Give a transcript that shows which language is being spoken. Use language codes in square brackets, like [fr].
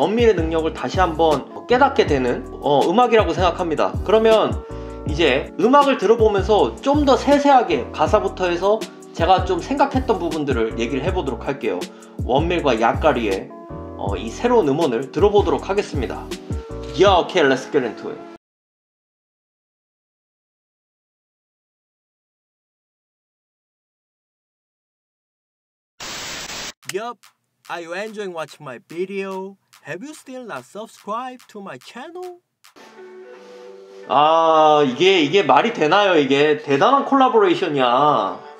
[ko] 원밀의 능력을 다시 한번 깨닫게 되는 음악이라고 생각합니다. 그러면 이제 음악을 들어보면서 좀 더 세세하게 가사부터 해서 제가 좀 생각했던 부분들을 얘기를 해보도록 할게요. 원밀과 약가리의 이 새로운 음원을 들어보도록 하겠습니다. [en] Yeah, okay, let's get into it. 얍. Are you enjoying watching my video? Have you still not subscribed to my channel? [ko] 아, 이게 말이 되나요? 이게 대단한 콜라보레이션이야.